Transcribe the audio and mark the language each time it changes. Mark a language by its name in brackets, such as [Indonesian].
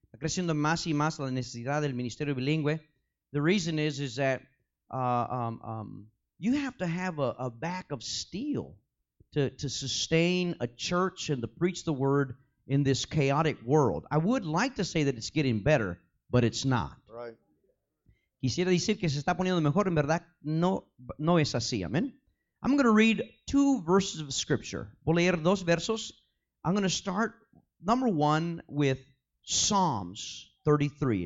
[Spanish] Creciendo más y más la necesidad del ministerio bilingüe. [English] The reason is that you have to have a back of steel to sustain a church and to preach the word in this chaotic world. I would like to say that it's getting better, but it's not. [Spanish] Quisiera decir que se está poniendo mejor, en verdad no es así, amen. [English] I'm going to read two verses of scripture. [Spanish] Voy a leer dos versos. [English] I'm going to start number one with Psalms 33.